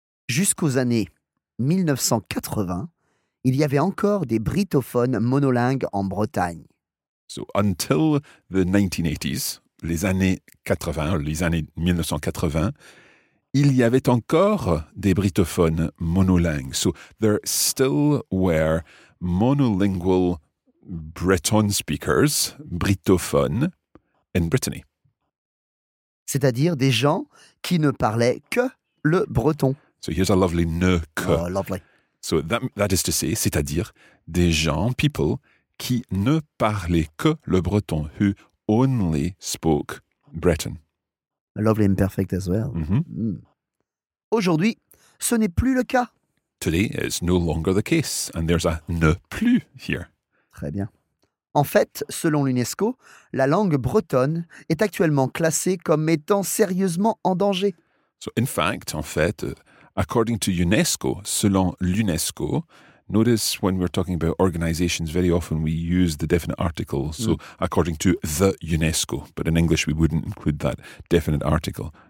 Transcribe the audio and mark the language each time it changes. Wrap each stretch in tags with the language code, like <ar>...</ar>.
<fr>Jusqu'aux années 1980, il y avait encore des brittophones monolingues en Bretagne.</fr> <en>So until the 1980s,</en> <fr>les années 80, les années 1980, il y avait encore des brittophones monolingues.</fr> <en>So there still were monolingual Breton speakers, brittophones, in Brittany.</en> <fr>C'est-à-dire des gens qui ne parlaient que le breton.</fr> <en>So here's a lovely ne que. Oh, lovely. So that is to say,</en> <fr>c'est-à-dire des gens,</fr> <en>people,</en> <fr>qui ne parlaient que le breton,</fr> <en>who only spoke Breton. A lovely imperfect as well. Mm-hmm. Mm.</en> <fr>Aujourd'hui, ce n'est plus le cas.</fr> <en>Today, it's no longer the case, and there's a ne plus here.</en> <fr>Très bien. En fait, selon l'UNESCO, la langue bretonne est actuellement classée comme étant sérieusement en danger.</fr> <en>So in fact,</en> <fr>en fait...</fr> <en>According to UNESCO,</en> <fr>selon l'UNESCO,</fr> <en>notice when we're talking about organizations, very often we use the definite article. So, according to the UNESCO, but in English we wouldn't include that definite article.</en>